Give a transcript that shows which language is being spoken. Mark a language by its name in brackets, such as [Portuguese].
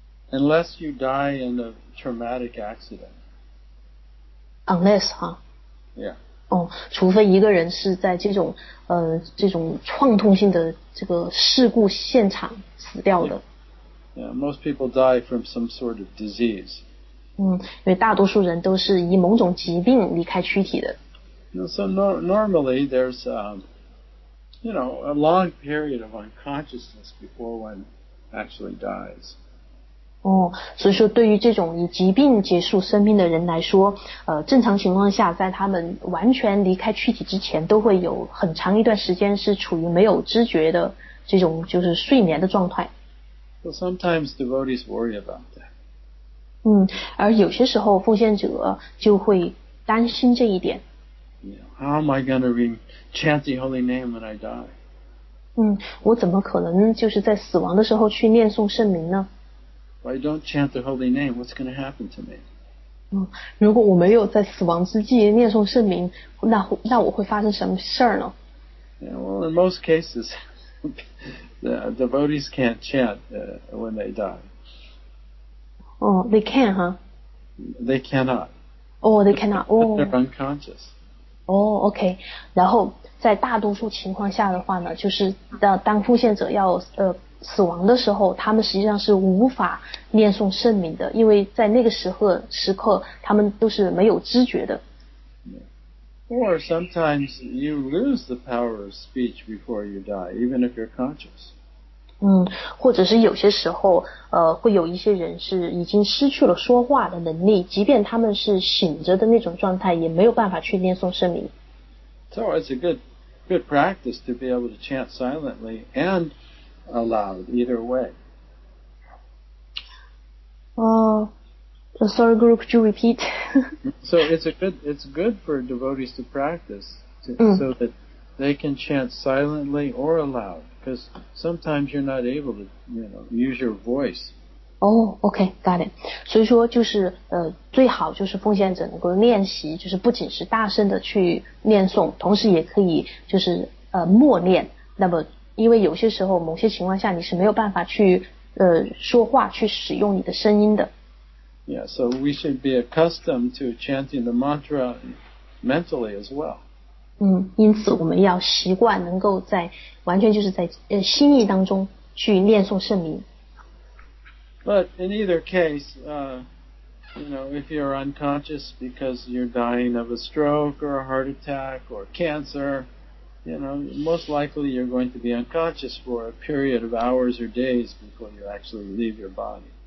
[English] Unless you die in a traumatic accident. Unless, huh? Yeah. [Chinese] 除非一个人是在这种创痛性的这个事故现场死掉的。 [English] Yeah, most people die from some sort of disease. [Chinese] 因为大多数人都是以某种疾病离开躯体的。 [English] So normally there's a long period of unconsciousness before one actually dies. [Chinese] 所以说对于这种以疾病结束生命的人来说，正常情况下在他们完全离开躯体之前都会有很长一段时间是处于没有知觉的这种就是睡眠的状态。 [English] So sometimes devotees worry about that. [Chinese] 而有些时候奉献者就会担心这一点。 [English] How am I going to chant the holy name when I die? [Chinese] 我怎么可能就是在死亡的时候去念诵圣名呢？ [English] If I don't chant the holy name, what's going to happen to me? [Chinese] 如果我没有在死亡之际念诵圣名，那我会发生什么事儿呢？ [English] Yeah, well, in most cases, the devotees can't chant when they die. They can, huh? They cannot. They cannot. They're unconscious. Okay. [Chinese] 然后在大多数情况下的话呢，就是当奉献者要死亡的时候，他们实际上是无法念诵圣名的，因为在那个时刻，他们都是没有知觉的。 [English] Or sometimes you lose the power of speech before you die, even if you're conscious. [Chinese] 或者是有些时候，会有一些人是已经失去了说话的能力，即便他们是醒着的那种状态，也没有办法去念诵圣名。 [English] So it's a good practice to be able to chant silently and aloud, either way. Sorry, Guru, could you repeat? So it's good for devotees to practice so that they can chant silently or aloud, because sometimes you're not able to, you know, use your voice. Okay, got it. [Chinese] 所以说就是最好就是奉献者能够练习，就是不仅是大声的去念诵，同时也可以就是默念。那么因为有些时候某些情况下你是没有办法去说话去使用你的声音的。 [English] Yeah, so we should be accustomed to chanting the mantra mentally as well. [Chinese] 因此我们要习惯能够在完全就是在心意当中去念诵圣名。 [English] But in either case, you know, if you're unconscious because you're dying of a stroke or a heart attack or cancer, you know, most likely you're going to be unconscious for a period of hours or days before you actually leave your body.